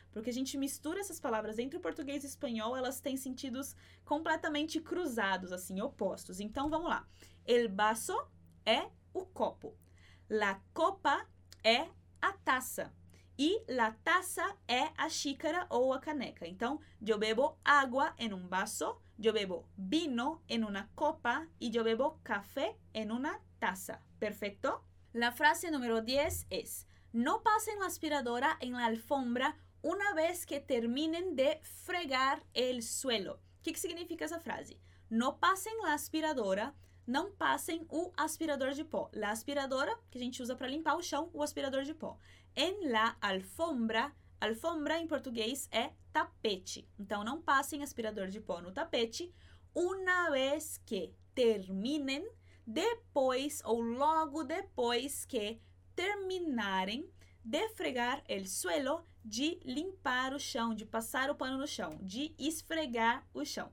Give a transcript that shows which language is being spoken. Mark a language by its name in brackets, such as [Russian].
[Portuguese] Porque a gente mistura essas palavras entre o português e o espanhol, elas têm sentidos completamente cruzados, assim, opostos. Então, vamos lá. [Spanish] El vaso [Portuguese] é o copo. [Spanish] La copa [Portuguese] é a taça. E la taça é a xícara ou a caneca. Então, [Spanish] yo bebo agua en un vaso, yo bebo vino en una copa y yo bebo café en una taza. Perfecto? La frase número 10 es: no pasen la aspiradora en la alfombra una vez que terminen de fregar el suelo. ¿Qué significa esa frase? No pasen la aspiradora. [Portuguese] Não passem o aspirador de pó. [Spanish] La aspiradora, [Portuguese] que a gente usa para limpar o chão, o aspirador de pó. [Spanish] En la alfombra. [Portuguese] Alfombra, em português, é tapete. Então, não passem aspirador de pó no tapete. [Spanish] Una vez que terminem, [Portuguese] depois ou logo depois que terminarem de [Spanish] fregar el suelo, [Portuguese] de limpar o chão, de passar o pano no chão, de esfregar o chão.